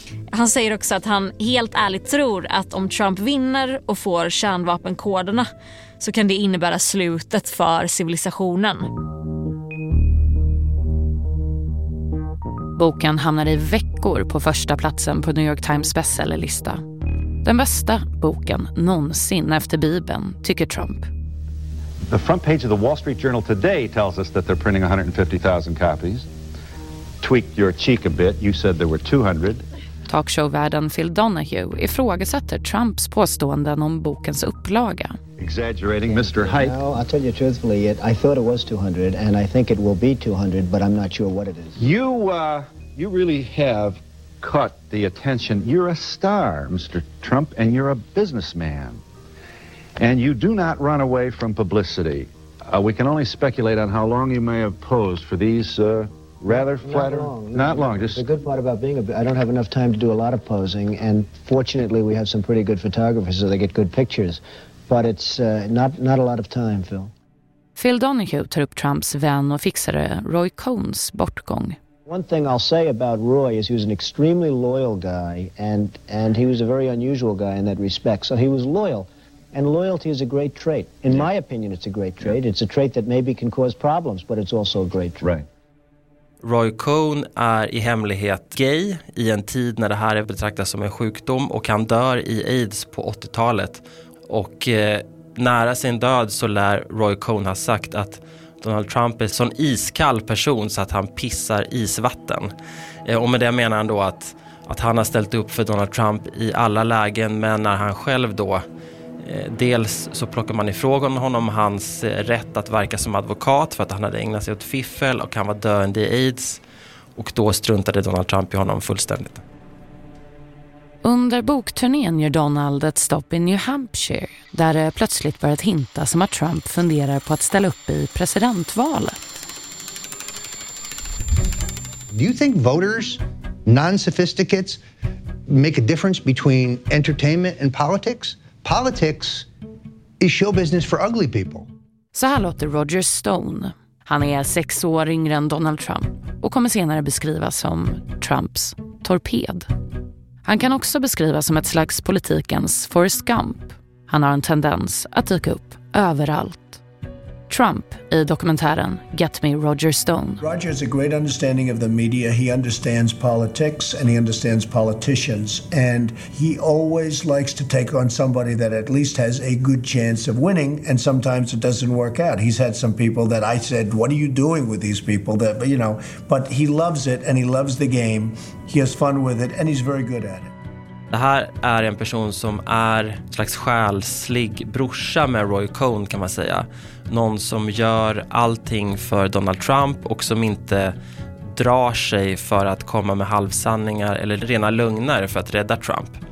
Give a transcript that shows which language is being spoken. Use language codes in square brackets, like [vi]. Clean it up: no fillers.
[sv] Han säger också att han helt ärligt tror att om Trump vinner och får kärnvapenkoderna så kan det innebära slutet för civilisationen. Boken hamnar i veckor på första platsen på New York Times bestsellerlista. Den bästa boken någonsin efter Bibeln, tycker Trump. [en] The front page of the Wall Street Journal today tells us that they're printing 150,000 copies. Tweak your cheek a bit. You said there were 200. [sv] Talkshow-värden Phil Donahue ifrågasätter Trumps påståenden om bokens upplaga. [en] Exaggerating, Mr. Hype. No, I'll tell you truthfully, I thought it was 200 and I think it will be 200, but I'm not sure what it is. You really have caught the attention. You're a star, Mr. Trump, and you're a businessman. And you do not run away from publicity. We can only speculate on how long you may have posed for these rather flatter. Not long. Just the good part about being a I don't have enough time to do a lot of posing, and fortunately we have some pretty good photographers, so they get good pictures. But it's not a lot of time, Phil. [sv] Phil Donahue tar upp Trumps vän och fixare Roy Cohns bortgång. [en] One thing I'll say about Roy is he was an extremely loyal guy, and he was a very unusual guy in that respect. So he was loyal. And loyalty is a great trait. In my opinion, it's a great trait. It's a trait that maybe can cause problems, but it's also a great trait. Right. [sv] Roy Cohn är i hemlighet gay i en tid när det här är betraktat som en sjukdom, och han dör i AIDS på 80-talet. Och nära sin död så lär Roy Cohn ha sagt att Donald Trump är en sån iskall person så att han pissar isvatten. Och med det menar han då att han har ställt upp för Donald Trump i alla lägen, men när han själv då dels så plockar man ifrån honom hans rätt att verka som advokat för att han hade ägnat sig åt fiffel och han var döende i AIDS. Och då struntade Donald Trump i honom fullständigt. Under bokturnén gör Donald ett stopp i New Hampshire, där det plötsligt börjat hinta som att Trump funderar på att ställa upp i presidentvalet. [en] Do you think voters, non-sophisticates, make a difference between entertainment and politics? Politics is show business for ugly people. [sv] Så här låter Roger Stone. Han är 6 år yngre än Donald Trump och kommer senare beskrivas som Trumps torped. Han kan också beskrivas som ett slags politikens Forrest Gump. Han har en tendens att dyka upp överallt. Trump i dokumentären Get Me Roger Stone. [en] Roger has a great understanding of the media. He understands politics and he understands politicians. And he always likes to take on somebody that at least has a good chance of winning. And sometimes it doesn't work out. He's had some people that I said, what are you doing with these people? That, you know, but he loves it and he loves the game. He has fun with it and he's very good at it. [sv] Det här är en person som är en slags själslig brorsa med Roy Cohn, kan man säga. Någon som gör allting för Donald Trump och som inte drar sig för att komma med halvsanningar eller rena lögner för att rädda Trump.